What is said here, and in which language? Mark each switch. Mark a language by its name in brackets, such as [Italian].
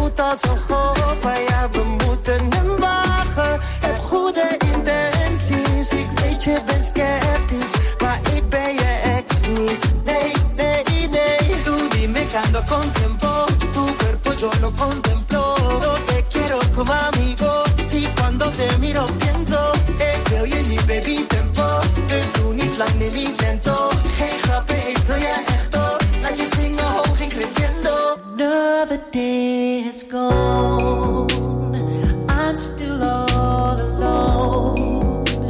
[Dutch] Als een gok, maar ja, we moeten hem wagen. Heb goede intenties, ik weet je bent sceptisch. Maar ik ben je ex niet, nee, nee, nee. [Spanish] Tú dime que ando con tiempo, tu cuerpo yo lo contemplo. No te quiero como amigo, si cuando te miro pienso. [Dutch] Ik wil je niet, baby, tempo. Dus doe niet lang, nee, niet lento. Geen grappen, ik wil je echt op. Laat je zingen, hoog en creciendo. [English] Another day has gone, I'm still all alone.